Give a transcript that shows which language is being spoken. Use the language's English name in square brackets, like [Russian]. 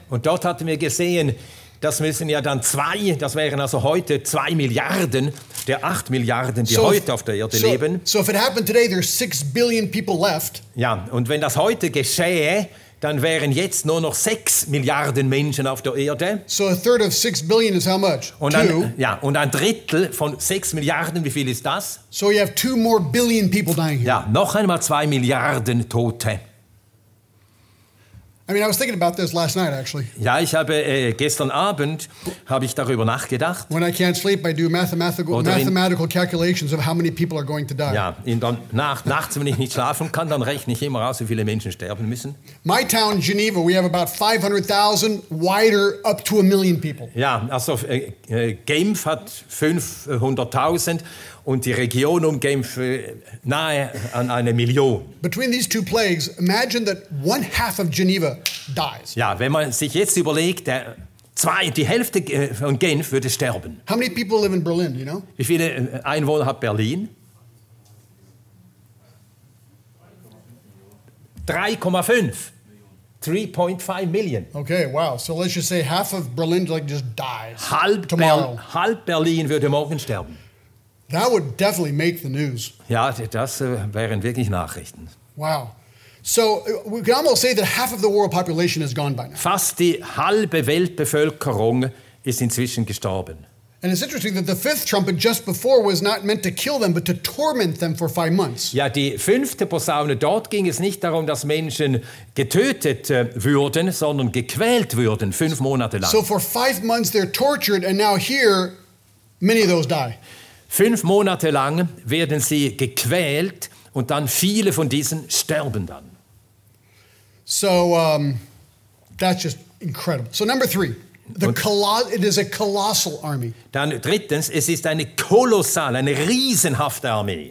[German] Und dort hatten wir gesehen, das müssen ja dann zwei, das wären also heute 2 Milliarden der 8 Milliarden, die heute auf der Erde leben. [English] So if it happened today, there's 6 billion people left. [German] Ja, und wenn das heute geschehe, dann wären jetzt nur noch 6 Milliarden Menschen auf der Erde. [English] So a third of 6 billion is how much? [German] Und ein, ja, und ein Drittel von 6 Milliarden, wie viel ist das? [English] So you have 2 more billion people dying here. [German] Ja, noch einmal 2 Milliarden Tote. [English] I mean, I was thinking about this last night, actually. [German] Ja, ich habe gestern Abend habe ich darüber nachgedacht. [English] When I can't sleep, I do mathematical calculations of how many people are going to die. [German] Ja, in der Nachts, wenn ich nicht schlafen kann, dann rechne ich immer aus, wie viele Menschen sterben müssen. [English] My town, Geneva, we have about 500,000 wider up to 1 million people. [German] Ja, also Genf hat 500,000 und die Region um Genf nahe an 1 Million. [English] Between these two plagues, imagine that one half of Geneva dies. [German] Ja, wenn man sich jetzt überlegt, die Hälfte von Genf würde sterben. [English] How many people live in Berlin, you know? [German] Wie viele Einwohner hat Berlin? [English] 3.5 million. Okay, wow. So let's just say half of Berlin like just dies. [German] Halb Berlin würde morgen sterben. [English] That would definitely make the news. [German] Ja, das wären wirklich Nachrichten. [English] Wow. So we can almost say that half of the world population is gone by now. [German] Fast die halbe Weltbevölkerung ist inzwischen gestorben. [English] And it's interesting that the fifth trumpet just before was not meant to kill them, but to torment them for 5 months. [German] Ja, die fünfte Posaune, dort ging es nicht darum, dass Menschen getötet würden, sondern gequält würden, 5 Monate lang. [English] So for 5 months they're tortured, and now here, many of those die. [German] 5 Monate lang werden sie gequält und dann viele von diesen sterben dann. [English] So, that's just incredible. So number three, it is a colossal army. [German] Dann drittens, es ist eine kolossale, eine riesenhafte Armee.